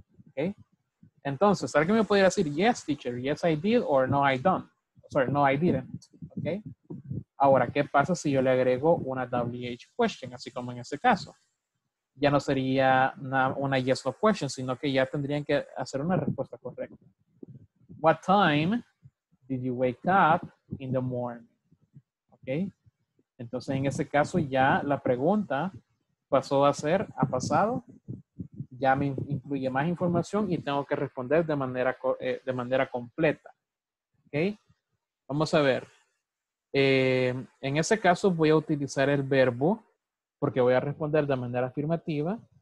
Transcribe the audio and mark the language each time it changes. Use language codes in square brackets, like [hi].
[es] Okay. Entonces, ¿alguien me podría decir [en] yes, teacher? Yes, I did or no, I don't. Sorry, no, I didn't. Okay. [es] Ahora, ¿qué pasa si yo le agrego una WH question? Así como en este caso. Ya no sería una yes no question, sino que ya tendrían que hacer una respuesta correcta. [en] What time did you wake up in the morning? Okay. [es] Entonces, en ese caso, ya la pregunta pasó a ser, ha pasado. Ya me incluye más información y tengo que responder de manera completa. ¿Okay? Vamos a ver. En ese caso, voy a utilizar el verbo, porque voy a responder de manera afirmativa.